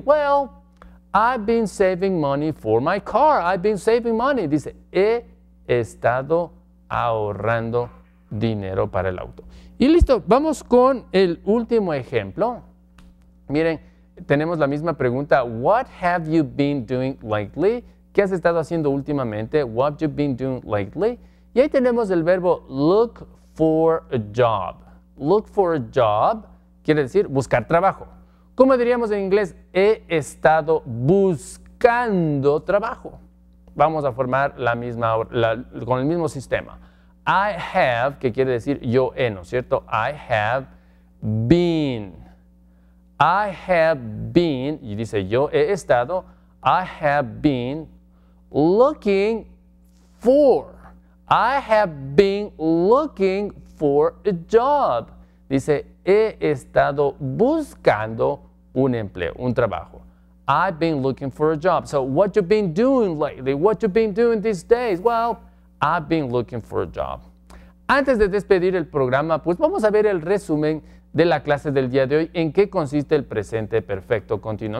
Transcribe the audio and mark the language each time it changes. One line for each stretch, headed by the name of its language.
English: Well, I've been saving money for my car. I've been saving money.
Spanish: Dice, he estado ahorrando dinero para el auto. Y listo, vamos con el último ejemplo. Miren, tenemos la misma pregunta.
English: What have you been doing lately?
Spanish: ¿Qué has estado haciendo últimamente?
English: What have you been doing lately?
Spanish: Y ahí tenemos el verbo look for a job.
English: Look for a job
Spanish: quiere decir buscar trabajo. ¿Cómo diríamos en inglés? He estado buscando trabajo. Vamos a formar la misma, con el mismo sistema.
English: I have,
Spanish: que quiere decir yo he, ¿no es cierto?
English: I have been. I have been,
Spanish: y dice yo he estado,
English: I have been looking for. I have been looking for a job.
Spanish: Dice, he estado buscando un empleo, un trabajo.
English: I've been looking for a job. So, what you been doing lately? What you been doing these days? Well, I've been looking for a job.
Spanish: Antes de despedir el programa, pues vamos a ver el resumen de la clase del día de hoy, en qué consiste el presente perfecto continuo.